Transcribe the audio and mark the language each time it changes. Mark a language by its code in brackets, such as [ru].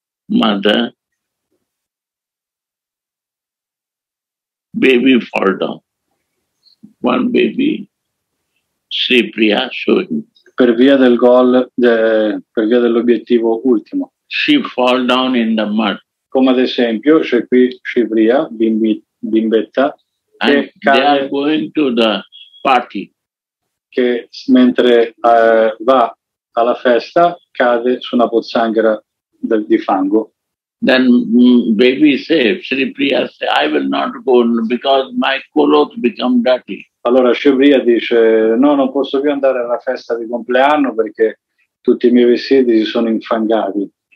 [en] Mother, baby fall down. One baby, Sri Priya showing. [it] Per via del goal, per via dell'obiettivo ultimo. [en] She fall down in the mud. [it] Come ad esempio, c'è qui Sri Priya, bimbetta, [en] and [it] che cade, [en] they are going to the party. [it] Che mentre va alla festa, cade su una pozzanghera di fango. [en] Then baby says, Sri Priya says, I will not go because my clothes become dirty. [it] Allora Sri Priya dice, no, non posso più andare alla festa di compleanno perché tutti i miei vestiti si sono infangati.